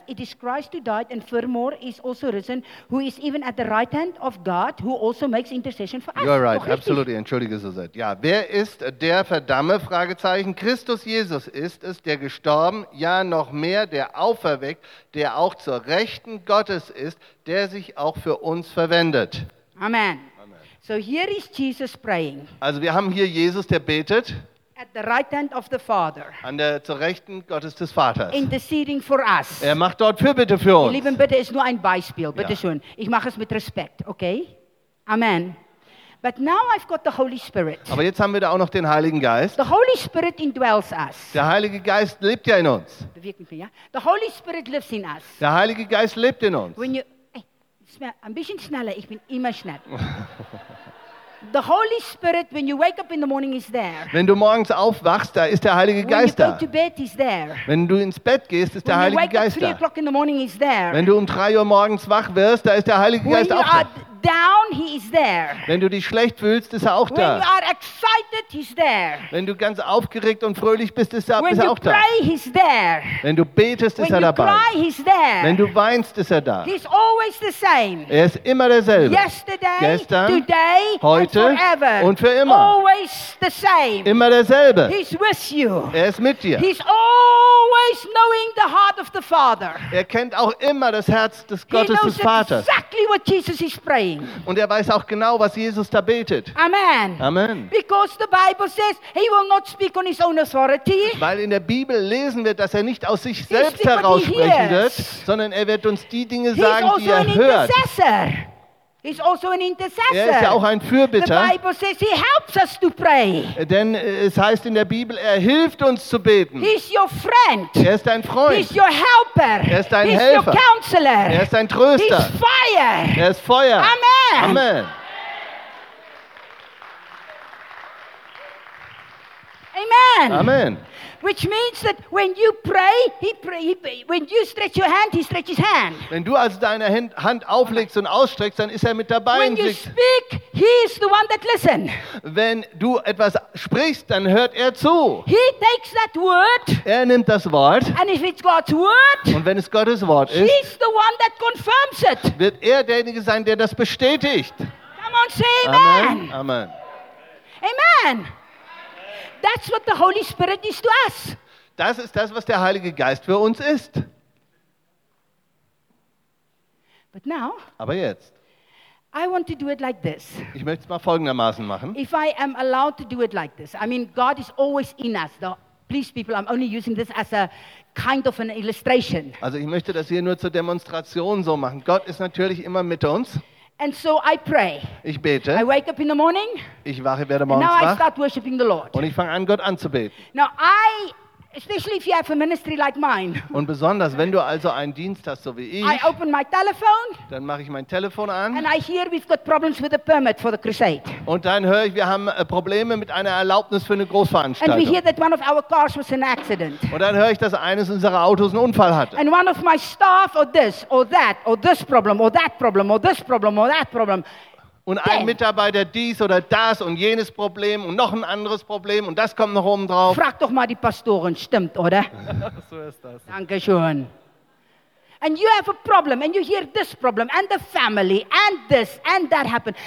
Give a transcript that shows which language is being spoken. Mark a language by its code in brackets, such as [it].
[en] It is Christ who died and furthermore is also risen, who is even at the right hand of God, who also makes intercession for us. You are right, absolutely. [de] Entschuldige, Suzette. Ja, wer ist der verdamme? Fragezeichen. Christus Jesus ist es, der gestorben, ja noch mehr, der auferweckt, der auch zur Rechten Gottes ist, der sich auch für uns verwendet. [en] Amen. Amen. So here is Jesus praying. [de] Also wir haben hier Jesus, der betet. [en] At the right hand of the Father. [de] An der zur Rechten Gottes des Vaters. [en] Interceding for us. [de] Er macht dort Fürbitte für uns. Lieben, bitte, ist nur ein Beispiel. Bitte schön. Ich mache es mit Respekt, okay? Amen. [en] But now I've got the Holy Spirit. [de] Aber jetzt haben wir da auch noch den Heiligen Geist. [en] The Holy Spirit indwells us. [de] Der Heilige Geist lebt ja in uns. [en] The Holy Spirit lives in us. [de] Der Heilige Geist lebt in uns. [en] When you, [de] hey, ein bisschen schneller, ich bin immer schnell. [en] The Holy Spirit, when you wake up in the morning, is there. [de] Wenn du morgens aufwachst, da ist der Heilige Geist da. [en] When you go to bed, he's there. [de] Wenn du ins Bett gehst, ist der Heilige Geist da. [en] When you wake up 3 o'clock in the morning, he's there. [de] Wenn du 3 Uhr morgens wach wirst, da ist der Heilige Geist auch da. [en] Down, he is there. [de] Wenn du dich schlecht fühlst, ist er auch da. [en] When you are excited, he's there. [de] Wenn du ganz aufgeregt und fröhlich bist, ist er [en] when [de] auch [en] you pray, [de] da. [en] He's there. [de] Wenn du betest, [en] when you [de] dabei. [en] Cry, he's there. [de] Wenn du weinst, ist er da. [en] He's always the same. [de] Er ist immer derselbe. [en] Yesterday, [de] gestern, [en] today, [de] heute [en] and forever. [de] Und für immer. [en] Always the same. [de] Immer derselbe. [en] He's with you. [de] Er ist mit dir. [en] He's always knowing the heart of the Father. [de] Er kennt auch immer das Herz des Gottes, [en] he knows [de] des Vaters. [en] Exactly what Jesus is praying. [de] Und er weiß auch genau, was Jesus da betet. [en] Amen. [de] Amen. [en] Because the Bible says he will not speak on his own authority. [de] Weil in der Bibel lesen wird, dass er nicht aus sich selbst heraus sprechen wird, sondern er wird uns die Dinge sagen, die er hört. [en] He's also an intercessor. [de] Er ist ja auch ein Fürbitter. [en] The Bible says he helps us to pray. [de] Denn es heißt in der Bibel, er hilft uns zu beten. [en] He's your friend. [de] Er ist dein Freund. [en] He's your helper. [de] Er ist dein [en] He's [de] Helfer. [en] Your counselor. [de] Er ist dein Tröster. [en] He's fire. [de] Er ist Feuer. [en] Amen. [de] Amen. [en] Amen. [de] Amen. [en] Which means that when you pray, when you stretch your hand, he stretches hand. [de] Wenn du also deine Hand auflegst und ausstreckst, dann ist er mit dabei. [en] When you speak, he is the one that listens. [de] Wenn du etwas sprichst, dann hört er zu. [en] He takes that word. [de] Er nimmt das Wort. [en] And if it's God's word. [de] Und wenn es Gottes Wort ist. [en] He's the one that confirms it. [de] Wird er derjenige sein, der das bestätigt. [en] Come on, say amen. [de] Amen. Amen. Amen. [en] That's what the Holy Spirit is to us. [de] Das ist das, was der Heilige Geist für uns ist. [en] But now, [de] aber jetzt. [en] I want to do it like this. [de] Ich möchte es mal folgendermaßen machen. [en] If I am allowed to do it like this. I mean, God is always in us. Though. Please, people, I'm only using this as a kind of an illustration. [de] Also ich möchte das hier nur zur Demonstration so machen. Gott ist natürlich immer mit uns. [en] And so I pray. [de] Ich bete. [en] I wake up in the morning. [de] Ich wache, werde morgens wach. [en] And now I start worshiping the Lord. [de] Und ich fange an, Gott anzubeten. [en] Now I, especially if you have a ministry like mine. [de] Und besonders, wenn du also einen Dienst hast, so wie ich. [en] I open my telephone. [de] Dann mache ich mein Telefon an. [en] And I hear we've got problems with the permit for the crusade. [de] Und dann höre ich, wir haben Probleme mit einer Erlaubnis für eine Großveranstaltung. [en] And we hear that one of our cars was an accident. [de] Und dann höre ich, dass eines unserer Autos einen Unfall hatte. [en] And one of my staff or this or that or this problem or that problem or this problem or that problem. [de] Und ein Mitarbeiter dies oder das und jenes Problem und noch ein anderes Problem und das kommt noch oben drauf. Frag doch mal die Pastoren, stimmt, oder? So ist das. Dankeschön. [en] And you have a problem and you hear this problem and the family and this and that happened.